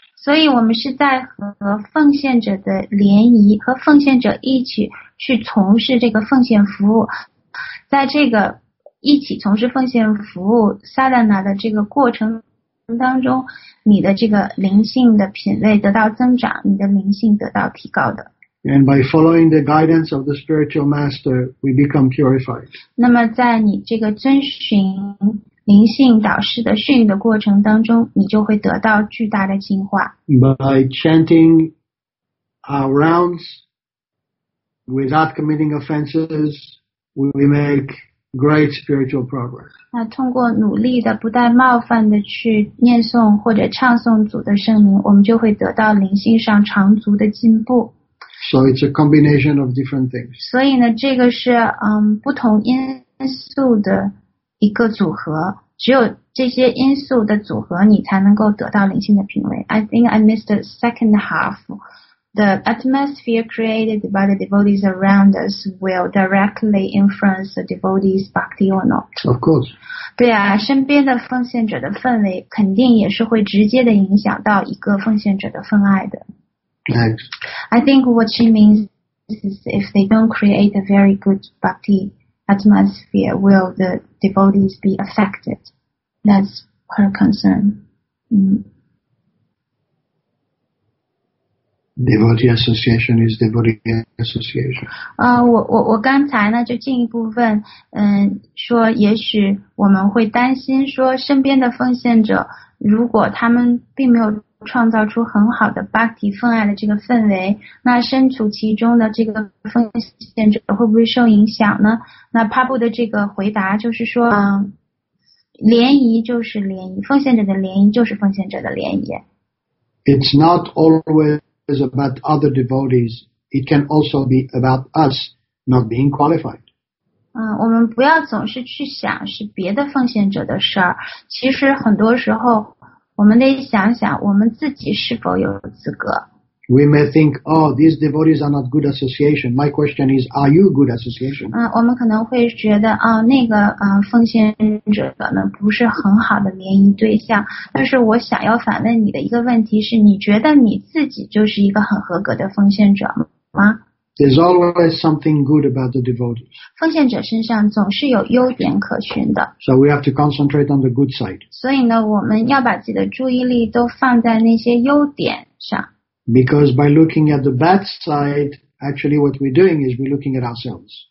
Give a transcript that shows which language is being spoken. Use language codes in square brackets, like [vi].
[zh] 所以我们是在和奉献者的联谊，和奉献者一起去从事这个奉献服务，在这个一起从事奉献服务 sadhana 的这个过程当中，你的这个灵性的品位得到增长，你的灵性得到提高的。 [en] And by following the guidance of the spiritual master, we become purified. [zh] 那么在你这个遵循灵性导师的训练的过程当中，你就会得到巨大的进化。 [en] By chanting our rounds without committing offenses, we make great spiritual progress. [zh] 那通过努力的不带冒犯的去念诵或者唱诵主的圣名，我们就会得到灵性上长足的进步。 [en] So it's a combination of different things. [zh] 所以呢，这个是不同因素的一个组合，只有这些因素的组合，你才能够得到灵性的品位。 [en] I think I missed the second half. The atmosphere created by the devotees around us will directly influence the devotees' bhakti or not. Of course. [zh] 对啊，身边的奉献者的氛围肯定也是会直接的影响到一个奉献者的份爱的。 [en] Next. I think what she means is if they don't create a very good bhakti atmosphere, will the devotees be affected? That's her concern. Devotee association is devotee association. [zh] 我刚才呢就进一步问，说也许我们会担心说身边的奉献者，如果他们并没有创造出很好的 bhakti 奉爱的这个氛围，那身处其中的这个奉献者会不会受影响呢？那 Prabhu 的这个回答就是说，涟漪就是涟漪，奉献者的涟漪就是奉献者的涟漪。 [en] It's not always about other devotees. It can also be about us not being qualified. [zh] 我们不要总是去想是别的奉献者的事儿，其实很多时候。我们得想想我们自己是否有资格。 [en] We may think, oh, these devotees are not good association. My question is, are you good association? [zh] 我们可能会觉得，奉献者呢不是很好的联谊对象。但是我想要反问你的一个问题是，你觉得你自己就是一个很合格的奉献者吗？ [en] There's always something good about the devotees. [zh] 奉献者身上总是有优点可寻的。 [en] So we have to concentrate on the good side. [zh] 所以呢，我们要把自己的注意力都放在那些优点上。 [en] Because by looking at the bad side, actually what we're doing is we're looking at ourselves.